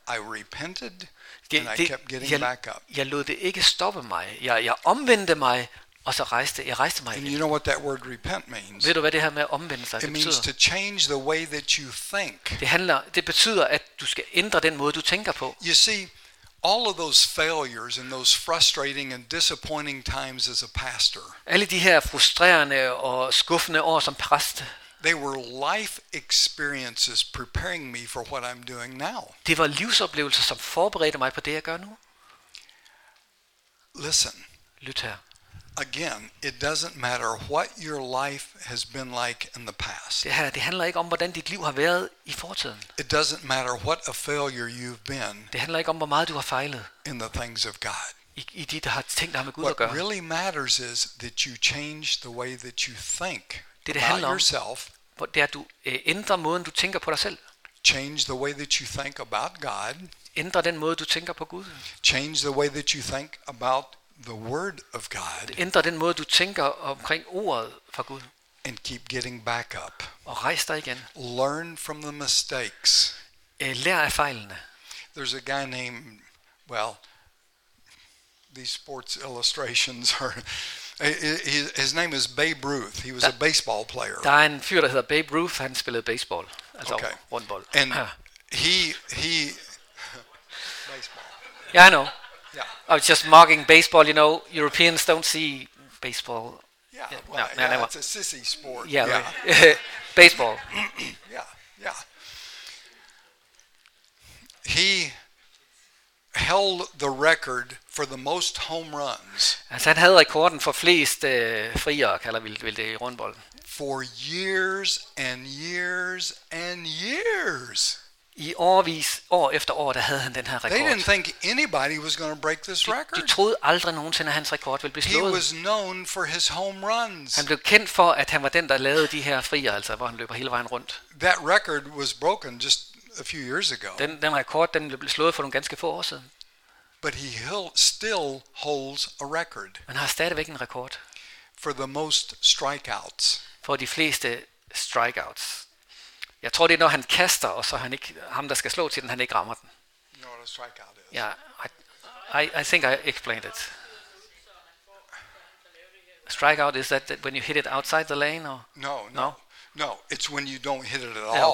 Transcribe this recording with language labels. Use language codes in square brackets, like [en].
[en] I repented and I kept getting back up. [da] Jeg lod det ikke stoppe mig. Jeg omvendte mig og så rejste mig igen. [en] And you know what that word repent means? [da] Ved du hvad det her med at omvende sig betyder? [en] It means to change the way that you think. [da] Det betyder at du skal ændre den måde du tænker på. [en] You see, all of those failures and those frustrating and disappointing times as a pastor. [da] Alle de her frustrerende og skuffende år som præst. [en] They were life experiences preparing me for what I'm doing now. [da] Det var livsoplevelser som forberedte mig på det jeg gør nu. [en] Listen. [da] Lyt her. [en] Again, it doesn't matter what your life has been like in the past. [da] Ja, det handler ikke om hvordan dit liv har været i fortiden. [en] It doesn't matter what a failure you've been. [da] Det handler ikke om hvor meget du har fejlet. [en] In the things of God. [da] I det der har tænkt dig med Gud [en] what [da] at gøre. [en] What really matters is that you change the way that you think. [da] Det handler om, det er, at du ændrer måden du tænker på dig selv. [en] Change the way that you think about God. [da] Ændrer den måde du tænker på Gud. [en] Change the way that you think about the word of God. [da] Ændrer den måde du tænker omkring ordet fra Gud. [en] And keep getting back up. [da] Og rejs dig igen. [en] Learn from the mistakes. [da] Lær af fejlene. [en] There's a guy named, well, these sports illustrations are his name is Babe Ruth. He was a baseball player. [da] Der er en fyr der hedder Babe Ruth. Han spillede baseball, altså rundbold. [en] And he baseball. Yeah, I know. Yeah. I was just mocking baseball. You know, Europeans don't see baseball. Yeah, well, no, it's a sissy sport. Yeah, yeah. Right. Baseball. Yeah, yeah. He held the record for the most home runs. [da] Altså han havde rekorden for flest frier, kalder vi det i rundbold. [en] For years and years and years. [da] I årvis, år efter år, der havde han den her rekord. [en] They didn't think anybody was going to break this record. [da] De troede aldrig nogensinde at hans rekord ville blive slået. [en] He was known for his home runs. [da] Han blev kendt for at han var den der lavede de her frier, altså hvor han løber hele vejen rundt. [en] That record was broken just a few years ago. [da] Den rekord, den blev slået for nogle ganske få år siden. [en] But he still holds a record. [da] Han har stadigvæk en rekord. [en] For the most strikeouts. [da] For de fleste strikeouts. Jeg tror det er når han kaster og så han ikke ham der skal slå til den han ikke rammer den. [en] You know what a strikeout is. Yeah, I think I explained it. Strikeout, is that when you hit it outside the lane, or no? It's when you don't hit it at all.